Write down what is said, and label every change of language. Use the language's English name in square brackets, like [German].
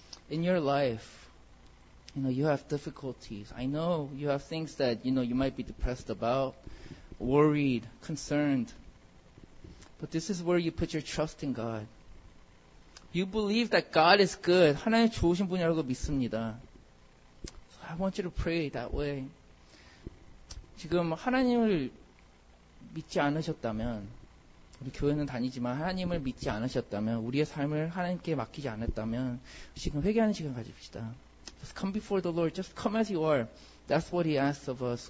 [English] In your life, you know, you have difficulties. I know you have things that, you know, you might be depressed about, worried, concerned. But this is where you put your trust in God. You believe that God is good. [Korean] 하나님 좋으신 분이라고 믿습니다. [English] So I want you to pray that way. [Korean] 지금 하나님을 믿지 않으셨다면, 우리 교회는 다니지만 하나님을 믿지 않으셨다면, 우리의 삶을 하나님께 맡기지 않았다면, 지금 회개하는 시간 가집시다. [English] Just come before the Lord. Just come as you are. That's what He asks of us.